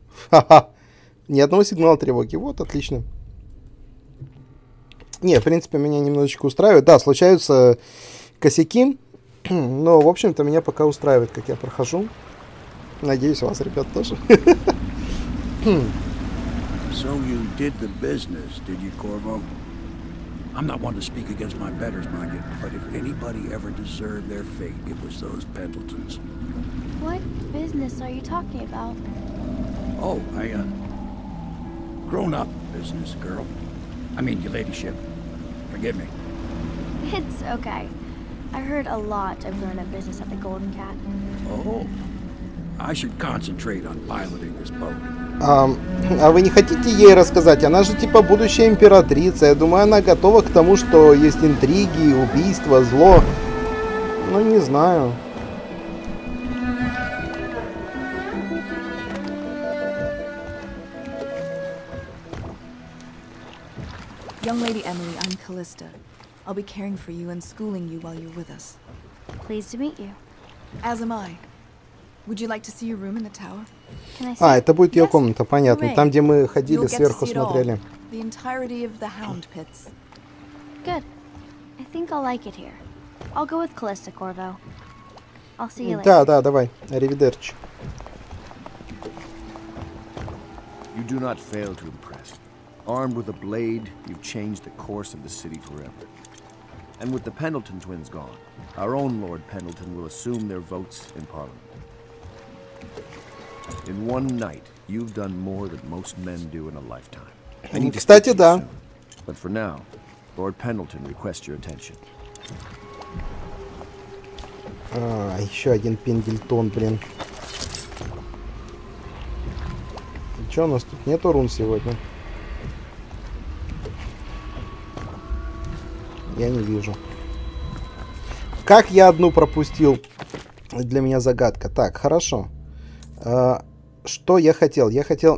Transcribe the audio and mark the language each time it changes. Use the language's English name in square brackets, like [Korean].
[Russian] Ха-ха. Ни одного сигнала тревоги, вот, отлично. Не, в принципе, меня немножечко устраивает. Да, случаются косяки, но, в общем-то, меня пока устраивает, как я прохожу. Надеюсь, у вас, ребят, тоже. [English] So you did the business, did you, Corvo? I'm not one to speak against my betters, mind you, but if anybody ever deserved their fate, it was those Pendletons. What business are you talking about? Oh, I, grown-up business, girl. I mean, your ladyship. Forgive me. It's okay. I heard a lot of grown-up business at the Golden Cat. Oh. I should concentrate on piloting this boat. [Russian] А вы не хотите ей рассказать? Она же типа будущая императрица. Я думаю, она готова к тому, что есть интриги, убийства, зло. Ну, не знаю. [English] Young lady Emily, I'm Callista. I'll be caring for you and schooling you while you're with us. Pleased to meet you. As am I. Would you like to see your room in the tower? [Russian] А, это будет ее комната, понятно. Там, где мы ходили, сверху смотрели. [English] The entirety of the hound pits. Good. I think I'll like it here. I'll go with Callista, Corvo. I'll see you later. [Russian] Да, да, давай. Arrivederci. [English] You do not fail to impress. Armed with a blade, you've changed the course of the city forever. And with the Pendleton twins gone, our own Lord Pendleton will assume their votes in Parliament. In one night, you've done more than most men do in a lifetime. I need to speak to you soon. But for now, Lord Pendleton requests your attention. [Russian] Еще один Пендельтон, блин. Че, у нас тут нету рун сегодня? Я не вижу. Как я одну пропустил? Для меня загадка. Так, хорошо. Что я хотел? Я хотел...